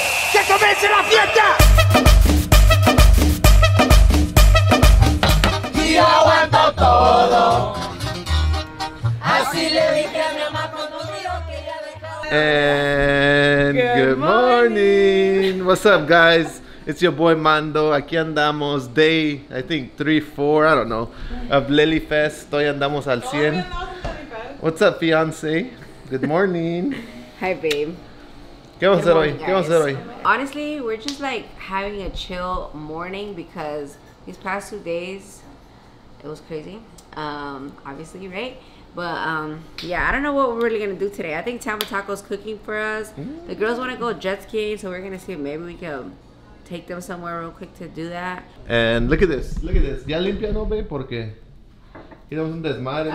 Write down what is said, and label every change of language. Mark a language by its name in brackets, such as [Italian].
[Spanish] ¡Que comience la fiesta! Y yo aguanto todo. Así le dije a mi mamá cuando dijo que ya dejaba. [English] And good morning. What's up, guys? It's your boy Mando. [Spanish] Aquí andamos. [English] Day, I think, 3, 4, I don't know, of Lilyfest. [Spanish] Hoy andamos al 100. [English] What's up, fiance? Good morning. Hi, babe. [Spanish] ¿Qué vamos a hacer hoy? ¿Qué vamos a hacer hoy? [English] Honestly, we're just like having a chill morning because these past 2 days, it was crazy. Obviously, right? But yeah, I don't know what we're really gonna do today. I think Tama Taco's cooking for us. The girls wanna go jet skiing, so we're gonna see if maybe we can take them somewhere real quick to do that. And look at this. Look at this. [Spanish] Ya limpia no ve porque quedamos un desmadre.